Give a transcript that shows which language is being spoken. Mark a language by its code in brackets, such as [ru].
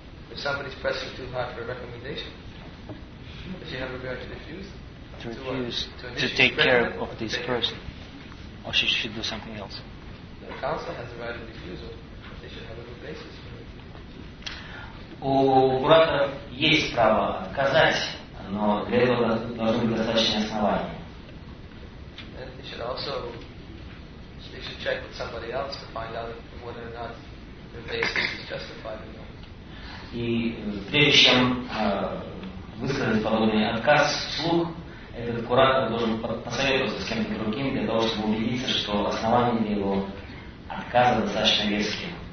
[en] If somebody's pressing too hard for a recommendation, does she have a right to refuse? to refuse to take care of this person, or she should do something else. The counselor has a right of refusal, but they should have a good basis for it. [ru] У брата есть право отказать, но для этого должны быть достаточные основания. [en] And they should also they should check with somebody else to find out whether or not the basis is justified or not. [ru] И прежде чем высказать подобный отказ вслух, этот куратор должен посоветоваться с кем-то другим для того, чтобы убедиться, что основания для его отказа достаточно веские.